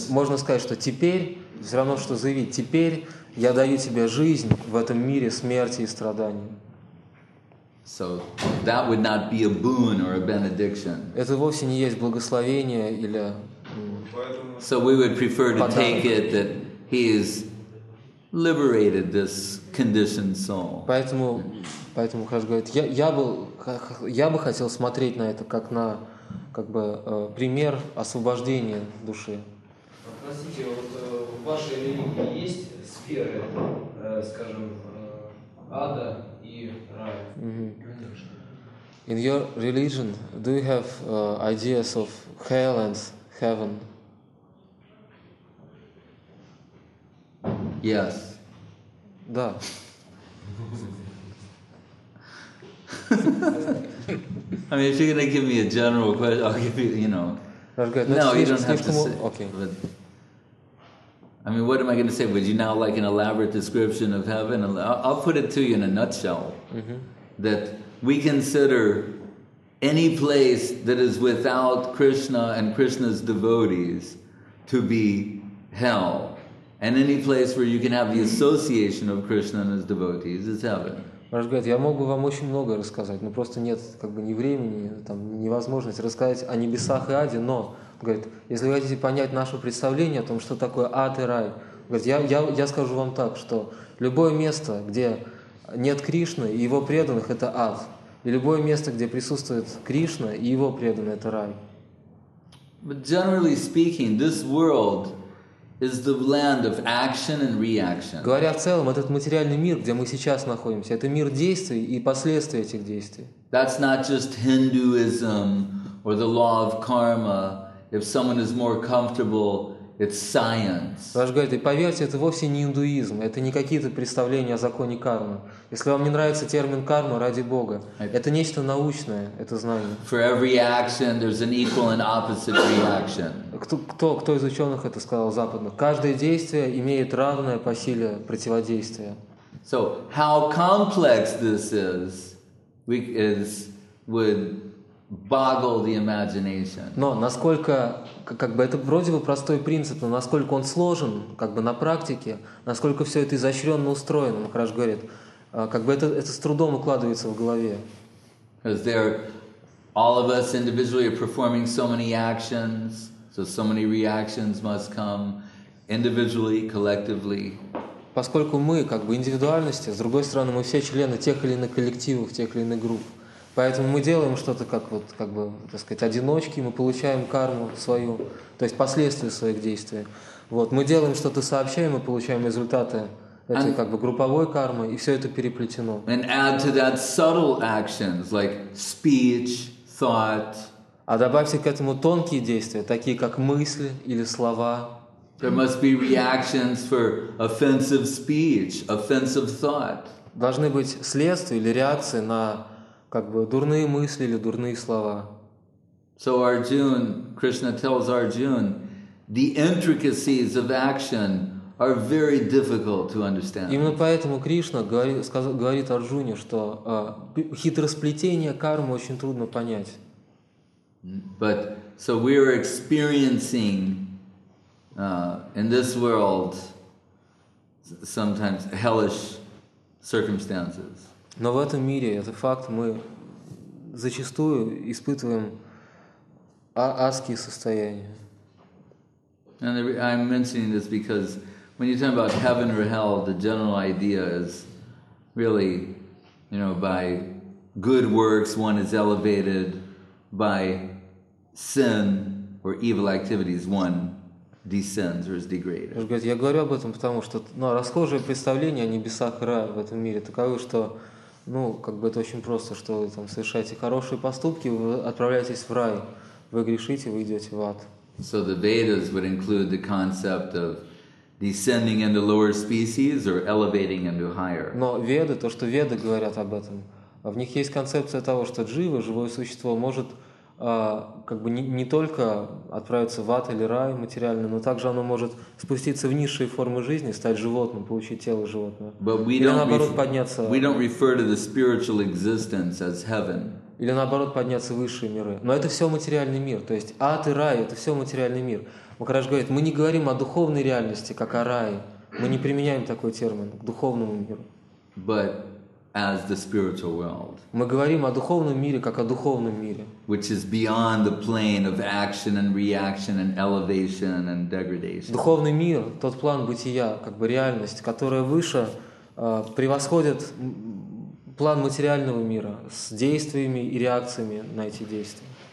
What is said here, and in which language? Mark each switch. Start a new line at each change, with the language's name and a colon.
Russian: Можно сказать, что теперь, все равно, что заявить, теперь я даю тебе жизнь в этом мире смерти и страданий.
English: So that would not be a boon or a benediction.
Russian: Это вовсе не есть благословение или...
English: So we would prefer to take it that he has liberated this conditioned soul.
Russian: Поэтому Хаш говорит, я бы хотел смотреть на это как на как бы пример освобождения души. Простите, вот в вашей религии есть сферы, скажем, ада и рая? Mm-hmm.
English: In your religion, do you have ideas of hell and heaven? Yes.
Russian: Да.
English: I mean, if you're going to give me a general question, I'll give you, you know. No, you don't have to say. Okay. But, I mean, what am I going to say? Would you now like an elaborate description of heaven? I'll put it to you in a nutshell. Mm-hmm. That we consider any place that is without Krishna and Krishna's devotees to be hell. And any place where you can have the association of Krishna and his devotees is heaven.
Russian: Раз говорит, я мог бы вам очень много рассказать, но просто нет как бы ни времени, там ни возможности рассказать о небесах и аде. Но говорит, если вы хотите понять наше представление о том, что такое ад и рай, говорит, я скажу вам так, что любое место, где нет Кришны и его преданных, это ад, и любое место, где присутствует Кришна и его преданные, это рай.
English: But generally speaking, this world is the land of action and reaction.
Russian: Говоря в целом, этот материальный мир, где мы сейчас находимся, это мир действий и последствий этих действий.
English: That's not just Hinduism or the law of karma. If someone is more comfortable, it's science.
Russian: Ваш говорит, и поверьте, это вовсе не индуизм, это не какие-то представления о законе кармы. Если вам не нравится термин карма, ради бога, это нечто научное, это знание.
English: For every action, there's an equal and opposite reaction.
Russian: Кто из ученых это сказал западно? Каждое действие имеет равное по силе противодействие.
English: So how complex this is would boggle the imagination.
Russian: Но насколько как бы это вроде бы простой принцип, но насколько он сложен, как бы на практике, насколько все это изощренно устроено, Махарадж говорит, как бы это с трудом укладывается в голове.
English: Because there, all of us individually are performing so many actions. So many reactions must come individually, collectively.
Russian: Поскольку мы как бы индивидуальности, с другой стороны, мы все члены тех или иных коллективов, тех или иных групп. Поэтому мы делаем что-то как вот как бы, так сказать, одиночки, мы получаем карму свою, то есть последствия своих действий. Вот, мы делаем что-то сообщаем, мы получаем результаты этой как бы групповой кармы, и все это переплетено.
English: And add to that subtle actions like speech, thought.
Russian: А добавьте к этому тонкие действия, такие как мысли или слова.
English: There must be reactions for offensive speech, offensive thought.
Russian: Должны быть следствия или реакции на как бы дурные мысли или дурные слова.
English: So Arjun, Krishna tells Arjun, the intricacies of action are very difficult to understand.
Russian: Именно поэтому Кришна говорит Арджуне, что хитросплетение кармы очень трудно понять.
English: But so we are experiencing in this world sometimes hellish circumstances.
Russian: Но в этом мире это факт, мы зачастую испытываем адские состояния.
English: And I'm mentioning this because when you talk about heaven or hell, the general idea is really, you know, by good works one is elevated, by sin or evil activities one descends or is degraded.
Russian: Я говорю об этом, потому что, ну, расхожее представление о небесах и рае в этом мире таково, что, ну, как бы это очень просто, что вы там совершаете хорошие поступки, вы отправляетесь в рай, вы грешите, вы идете в ад.
English: So the Vedas would include the concept of descending into lower species or elevating into higher.
Russian: Но Веды, то, что Веды говорят об этом, в них есть концепция того, что джива, живое существо, может как бы не только отправиться в ад или рай материальный, но также оно может спуститься в низшие формы жизни, стать животным, получить тело животного.
English: We don't refer to the spiritual existence as heaven.
Russian: Или наоборот подняться в высшие миры. Но это все материальный мир. То есть ад и рай — это все материальный мир. Махарадж говорит, мы не говорим о духовной реальности, как о рае. Мы не применяем такой термин к духовному миру.
English: But as the spiritual world.
Russian: Мы говорим о духовном мире как о духовном мире.
English: Which is beyond the plane of action and reaction and elevation and degradation.
Russian: Духовный мир, тот план бытия, как бы реальность, которая выше, превосходит план материального мира с действиями и реакциями на эти действия.